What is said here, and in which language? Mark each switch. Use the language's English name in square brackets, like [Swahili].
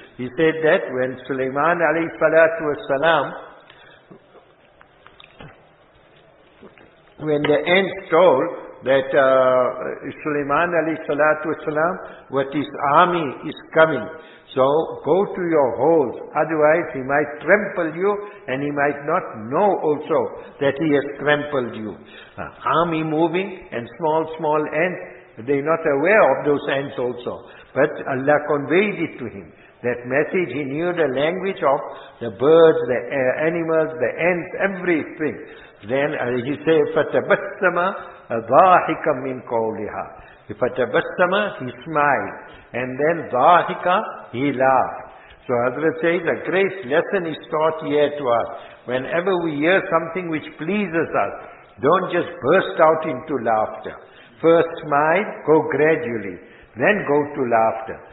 [English] He said that when Sulaiman alayhi salatu was salam, when the ant told that Sulaiman alayhi salatu wasalam, what his army is coming, so go to your holes, otherwise he might trample you and he might not know also that he has trampled you. Army moving and small ants, they're not aware of those ants also. But Allah conveyed it to him. That message, he knew the language of the birds, the animals, the ants, everything. Then he said, [Arabic] فَتَبَسَّمَ ضَاحِكًا مِّن قَوْلِهَا. [English] فَتَبَسَّمَ, he smiled. And then ضَاحِكًا, he laughed. So Hazrat says, a great lesson is taught here to us. Whenever we hear something which pleases us, don't just burst out into laughter. First smile, go gradually. Then go to laughter.